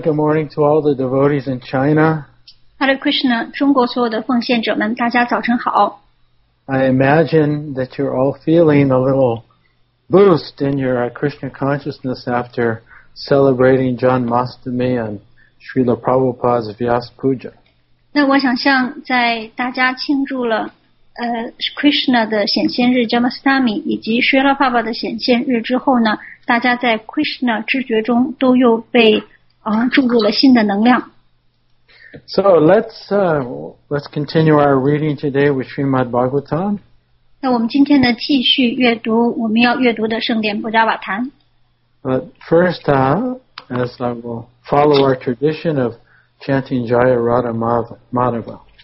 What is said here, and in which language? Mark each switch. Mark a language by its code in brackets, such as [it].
[en] Good morning to all the devotees in China. Hare Krishna. [zh] 中国所有的奉献者们，大家早晨好。 [en] I imagine that you're all feeling a little boost in your Krishna consciousness after celebrating Janmashtami and Srila Prabhupada's Vyas Puja. [zh] 那我想像在大家庆祝了Krishna 的显现日 Janmashtami 以及 Srila Prabhupada 的显现日之后呢，大家在 Krishna 知觉中都又被注入了新的能量。 [en] So let's continue our reading today with Srimad Bhagavatam. [zh] 那我们今天呢继续阅读我们要阅读的圣典博加瓦坛。 [en] But first, as I will follow our tradition of chanting Jaya Radha Madhava.